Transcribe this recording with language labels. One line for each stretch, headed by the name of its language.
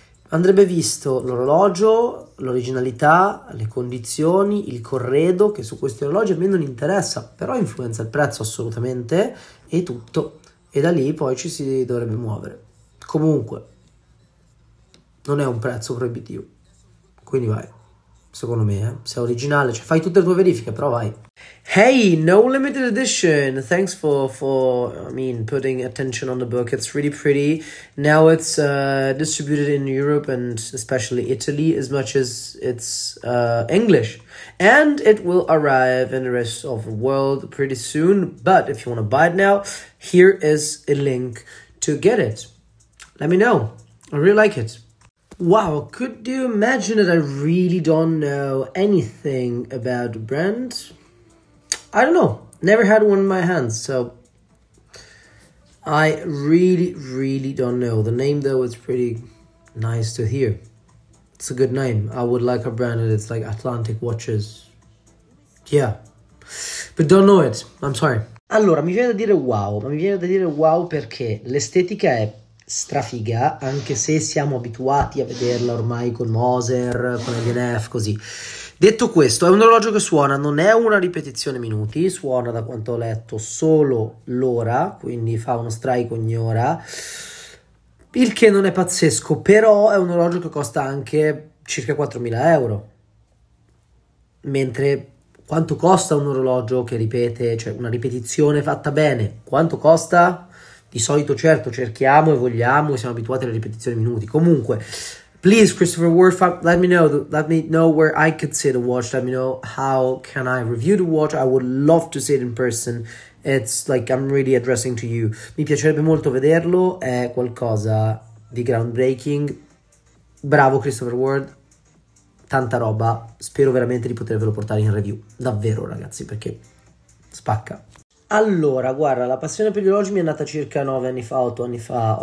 Italian: Andrebbe visto l'orologio, l'originalità, le condizioni, il corredo, che su questi orologi a me non interessa, però influenza il prezzo assolutamente e tutto. E da lì poi ci si dovrebbe muovere. Comunque, non è un prezzo proibitivo. Quindi vai. Secondo me, sei originale, cioè fai tutte le tue verifiche, però vai.
English: Hey, no limited edition. Thanks for I mean, putting attention on the book. It's really pretty. Now it's distributed in Europe and especially Italy as much as it's English. And it will arrive in the rest of the world pretty soon. But if you want to buy it now, here is a link to get it. Let me know. I really like it. Wow, could you imagine that I really don't know anything about brand? I don't know. Never had one in my hands, so I really, really don't know. The name, though, is pretty nice to hear. It's a good name. I would like a brand that it's like Atlantic Watches. Yeah. But don't know it. I'm sorry.
Italian: Allora, mi viene da dire wow, ma mi viene da dire wow perché l'estetica è strafiga, anche se siamo abituati a vederla ormai con Moser, con L&F, così. Detto questo, è un orologio che suona, non è una ripetizione minuti, suona, da quanto ho letto, solo l'ora, quindi fa uno strike ogni ora, il che non è pazzesco, però è un orologio che costa anche circa 4.000 euro. Mentre quanto costa un orologio che ripete, cioè una ripetizione fatta bene? Quanto costa? Di solito, certo, cerchiamo e vogliamo, siamo abituati alle ripetizioni minuti.
English: Comunque, please, Christopher Worf, let me know where I could sit and watch. Let me know how can I review the watch. I would love to see it in person. It's like I'm really addressing to you.
Italian: Mi piacerebbe molto vederlo, è qualcosa di groundbreaking. Bravo, Christopher Ward. Tanta roba. Spero veramente di potervelo portare in review. Davvero, ragazzi, perché spacca. Allora, guarda, la passione per gli orologi mi è nata circa 9 anni fa, 8 anni fa.